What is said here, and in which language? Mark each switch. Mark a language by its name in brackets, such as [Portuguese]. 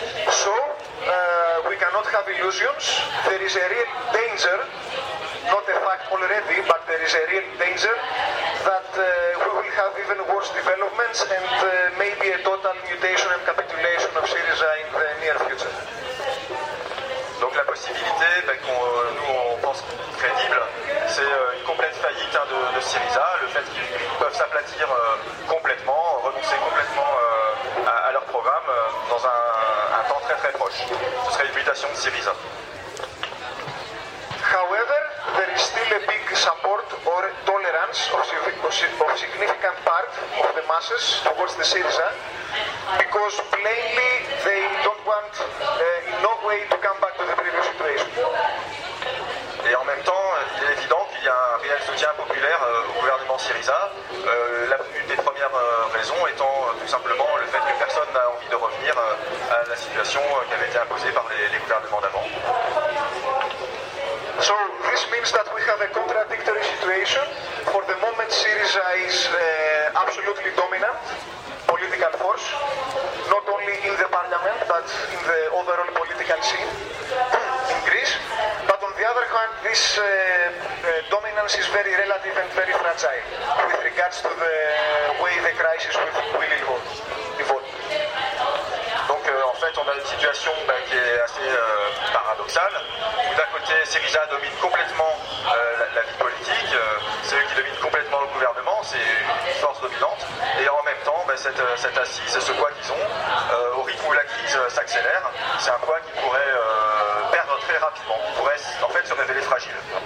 [English] So, we cannot have illusions. There is a real danger, not a fact already, but there is a real danger that we will have even worse developments and maybe a total mutation and capitulation of Syriza in the near future. [French] Donc la possibilité qu'on pense crédible, c'est une complète faillite de Syriza, le fait qu'ils peuvent s'aplatir complètement, renoncer complètement à leur programme dans un temps très très proche. Ce serait une mutation de Syriza. [English] However, there is still a big support or tolerance of significant part of the masses towards the Syriza, because plainly they don't want in no way to come back to the previous situation. [French] Et en même temps, il est évident qu'il y a un réel soutien populaire au gouvernement Syriza. Une des premières raisons étant tout simplement le fait que personne n'a envie de revenir à la situation qui avait été imposée par les gouvernements d'avant. [English] So this means that we have a contradictory situation. For the moment, Syriza is absolutely dominant political force, not only in the parliament but in the overall political scene in Greece. But on the other hand, this dominance is very relative and very fragile with regards to the way the crisis will evolve. [French] Donc en fait, on a une situation qui est assez paradoxale. Syriza domine complètement la vie politique, c'est eux qui dominent complètement le gouvernement, c'est une force dominante, et en même temps, cette assise, ce poids qu'ils ont, au rythme où la crise s'accélère, c'est un poids qui pourrait perdre très rapidement, qui pourrait en fait se révéler fragile.